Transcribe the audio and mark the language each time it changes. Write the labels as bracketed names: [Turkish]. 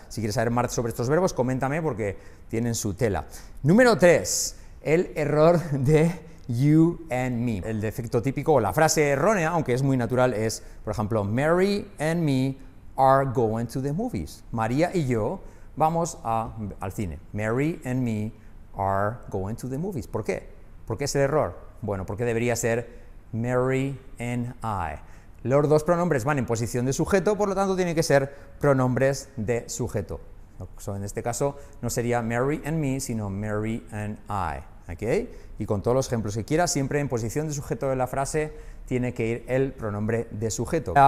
[Spanish] Si quieres saber más sobre estos verbos, coméntame porque tienen su tela. Número 3, el error de [English] you and me. [Spanish] El defecto típico o la frase errónea, aunque es muy natural, es, por ejemplo, [English] Mary and me are going to the movies. [Spanish] María y yo vamos al cine. [English] Mary and me are going to the movies. [Spanish] ¿Por qué? ¿Por qué es el error? Bueno, porque debería ser [English] Mary and I. [Spanish] Los dos pronombres van en posición de sujeto, por lo tanto, tienen que ser pronombres de sujeto. So, en este caso, no sería [English] Mary and me, [Spanish] sino [English] Mary and I. [Spanish] ¿Okay? Y con todos los ejemplos que quieras, siempre en posición de sujeto de la frase, tiene que ir el pronombre de sujeto.